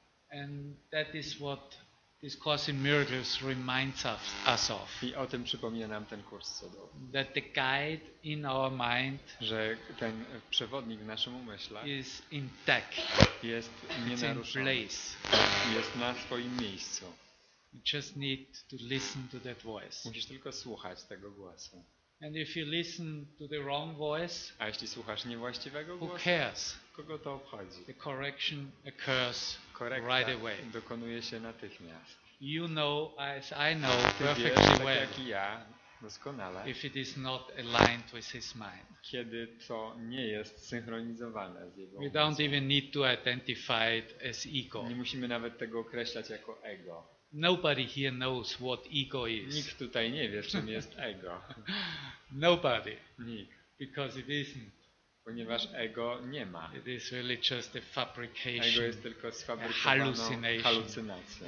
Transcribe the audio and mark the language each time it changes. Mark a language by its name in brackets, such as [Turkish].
[English] And that is what this Course in Miracles reminds us of. [Polish] I o tym przypomina nam ten kurs cudowy. [English] That the guide in our mind, [Polish] że ten przewodnik w naszym umyśle, [English] is intact, [Polish] jest nienaruszony, [English] place. [Polish] Jest na swoim miejscu. [English] You just need to listen to that voice. [Polish] Musisz tylko słuchać tego głosu. [English] And if you listen to the wrong voice, [Polish] a jeśli słuchasz niewłaściwego [English] who [Polish] głosu, [English] cares? [Polish] Kogo to obchodzi? [English] The correction occurs. [Polish] Korekta [English] right away. [Polish] Dokonuje się natychmiast. [English] You know, as I know, [Polish] ty [English] perfectly [Polish] wiesz, [English] well, [Polish] tak jak ja, doskonale, [English] if it is not aligned with his mind. [Polish] Kiedy to nie jest synchronizowane z jego [English] we don't even need to identify it as ego. [Polish] Nie musimy nawet tego określać jako ego. [English] Nobody here knows what ego is. [Polish] Nikt tutaj nie wie, czym jest ego. [English] Nobody. [Polish] Nikt. [English] Because it isn't. [Polish] Ponieważ ego nie ma. [English] It is really just a fabrication. [Polish] Ego jest tylko sfabrykowaną halucynacją.